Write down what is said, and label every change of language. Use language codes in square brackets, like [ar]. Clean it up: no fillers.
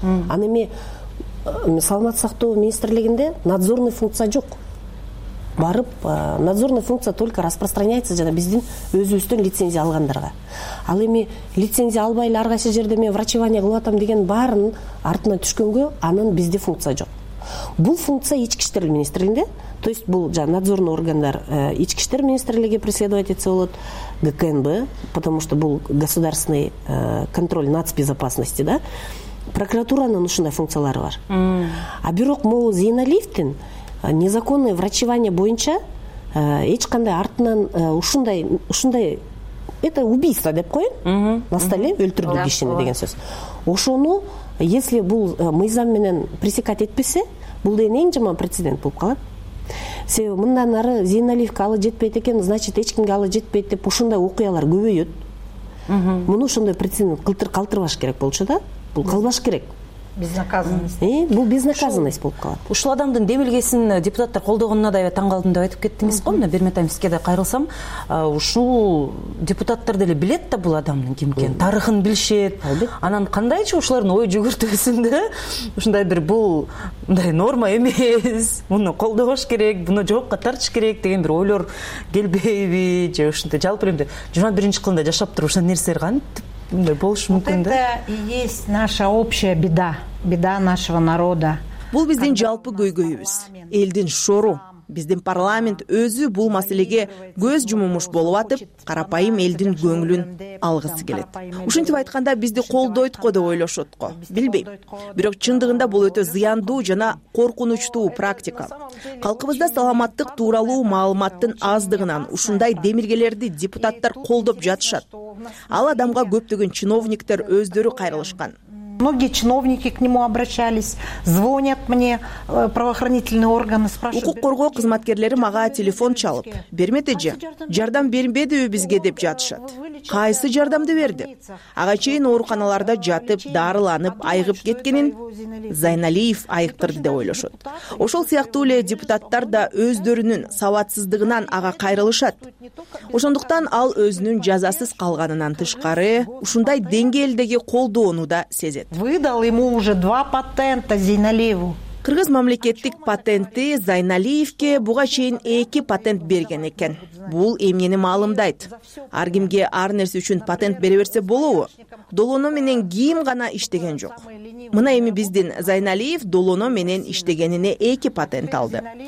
[ky] Аны эми саламат сактоо министрлигинде [ru] надзорный функция [ky] жок. Барып [ru] надзорный функция только распространяется [ky] жана биздин өзүбүздөн лицензия алгандарга. Ал эми лицензия албай эле ар кайсы жерде мен врачевание кылып атам деген баарын артына түшкөнгө анын бизде функция жок. Бул функция ички иштер министрлигинде, [ru] то есть [ky] бул жана [ru] надзорный [ky] органдар ички иштер министрлиги [ru] преследовать [ky] этсе болот, ГКНБ, [ru] потому что [ky] бул [ru] государственный контроль нацбезопасности, [ky] да? Прокуратуранын ушундай функциялары бар. А бирок могу Зейналиевдин [ru] незаконный врачевание [ky] боюнча эч кандай артынан ушундай [ru] это убийство [ky] деп коеюн, [ru] на столе [ky] өлтүрдү кишини деген сөз. Ошону [ru] если [ky] бул мыйзам менен [ru] пресекать [ky] этпесе, бул деген эң жаман прецедент болуп калат. Себеби мындан ары Зейналиевке алы жетпейт экен, [ru] значит [ky] эч кимге алы жетпейт деп ушундай окуялар көбөйөт. Муну ушундай прецедент кылтыр калтырбаш керек болчу да, бул калбаш керек. [ru] Безнаказанность. [ky] Бул безнаказанность болуп калат. Ушул адамдын демилгесин депутаттар колдогонуна да таң калдым деп айтып кеттиңиз го. Мына бир мерте сизге да кайрылсам, ушул депутаттар деле билет да бул адамдын ким экенин, тарыхын билишет. Анан кандайчы ушулардын ой жүгүртүүсүндө ушундай бир бул мындай норма эмес, муну колдогош керек, муну жоопко тартыш керек деген бир ойлор келбейби, же ушинтип жалпы эле 21-нчи кылымда жашап туруп ушундай нерселер кантип болушу мүмкүн да? [ru] Это и есть наша общая беда, беда нашего народа. [ky] Бул биздин жалпы көйгөйүбүз, элдин шору. Биздин парламент өзү бул маселеге көз жумумуш болуп атып, карапайым элдин көңүлүн алгысы келет. Ушинтип айтканда бизди колдойт го деп ойлошот го. Билбейм. Бирок чындыгында бул өтө зыяндуу жана коркунучтуу практика. Калкыбызда саламаттык тууралуу маалыматтын аздыгынан ушундай демиргелерди депутаттар колдоп жатышат. Ал адамга көптөгөн чиновниктер өздөрү кайрылышкан. [ru] Многие чиновники к нему обращались, звонят мне правоохранительные органы, спрашивают. [ky] Укук коргоо кызматкерлери мага телефон чалып, бермеди же, жардам бербедиби бизге деп жатышат. Кайсы жардамды берди? Ага чейин ооруканаларда жатып, дарыланып, айыгып кеткенин Зайналиев айыктырды деп ойлошот. Ошол сыяктуу эле депутаттар да өздөрүнүн сабатсыздыгынан ага кайрылышат. Ошондуктан ал өзүнүн жазасыз калганынан тышкары ушундай деңгээлдеги колдоону да сезет. [ru] Выдал ему уже два патента Зейналиеву. [ky] Кыргыз мамлекеттик патенти Зайналиевке буга чейин эки патент берген экен. Бул эмнени маалымдайт? Ар кимге ар нерсе үчүн патент бере берсе болобу? Долоно менен ким гана иштеген жок. Мына эми биздин Зайналиев долоно менен иштегенине эки патент алды.